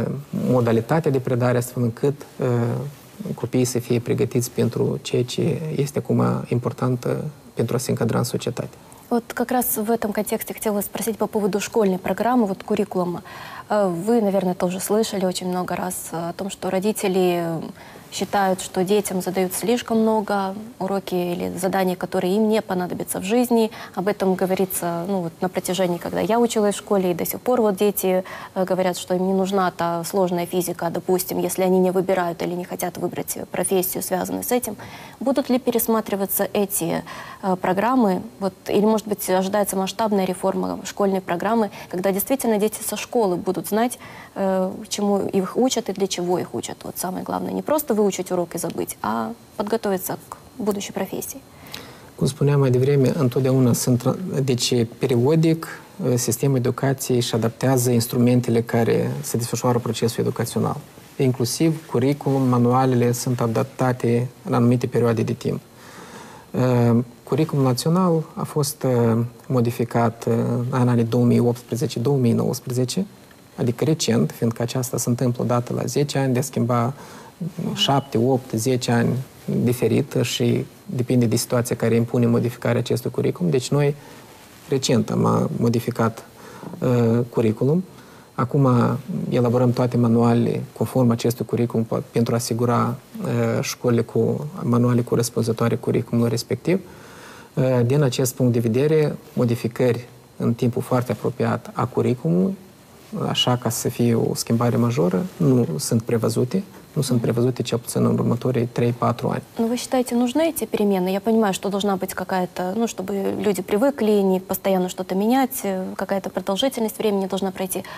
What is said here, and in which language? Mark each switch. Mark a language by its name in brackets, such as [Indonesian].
[Romanian] modalitatea de predare astfel încât copiii să fie pregătiți pentru ceea ce este acum important pentru a se încadra în societate. [Russian] Вот как раз в этом контексте хотела спросить по поводу школьной программы, вот куррикулума. Вы, наверное, тоже слышали очень много раз о том, что родители считают, что детям задают слишком много уроки или заданий, которые им не понадобятся в жизни. Об этом говорится на протяжении, когда я училась в школе, и до сих пор вот дети говорят, что им не нужна та сложная физика, допустим, если они не выбирают или не хотят выбрать профессию, связанную с этим. Будут ли пересматриваться эти программы? Вот, или, может быть, ожидается масштабная реформа школьной программы, когда действительно дети со школы будут знать, чему их учат и для чего их учат. Вот самое главное, не просто выучить урок и забыть, а подготовиться к будущей профессии. [Romanian] Cum spuneam mai devreme, întotdeauna sunt, deci, periodic, sistemul educației și adaptează instrumentele care se desfășoară procesul educațional. Inclusiv, curriculum, manualele sunt adaptate în anumite perioade de timp. Curriculum național a fost modificat în anii 2018-2019, adică recent, fiindcă aceasta se întâmplă odată la 10 ani, de a schimba 7, 8, 10 ani diferită și depinde de situația care impune modificarea acestui curriculum. Deci noi recent am modificat curriculum. Acum elaborăm toate manualele conform acestui curriculum pentru a asigura școlile cu manuale corespunzătoare curriculumului respectiv. Din acest punct de vedere, modificări în timpul foarte apropiat a curriculumului, așa ca să fie o schimbare majoră, nu sunt prevăzute. Nu sunt prevăzute cel puțin în următorii 3-4 ani. [Russian] Но вы считаете, нужны эти перемены? Я понимаю, что должна быть какая-то, ну, чтобы люди привыкли, не постоянно что-то менять, какая-то продолжительность времени должна пройти.